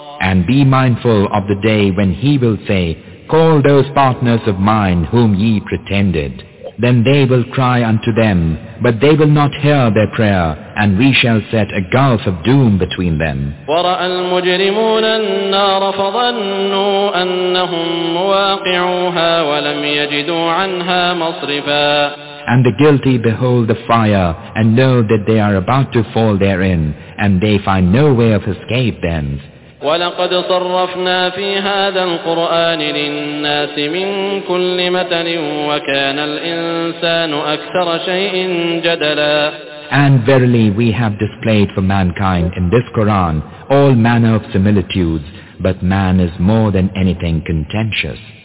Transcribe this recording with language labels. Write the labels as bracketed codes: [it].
[en] And be mindful of the day when he will say, Call those partners of mine whom ye pretended. Then they will cry unto them, but they will not hear their prayer, and we shall set a gulf of doom between them. [ar] ورأى المجرمون النار فظنوا أنهم مواقعوها ولم يجدوا عنها مصرفا. [en] And the guilty behold the fire, and know that they are about to fall therein, and they find no way of escape thence. [ar] ولقد صرفنا في هذا القرآن للناس من كل مثل وكان الإنسان أكثر شيء جدلا. [en] And verily we have displayed for mankind in this Quran all manner of similitudes, but man is more than anything contentious.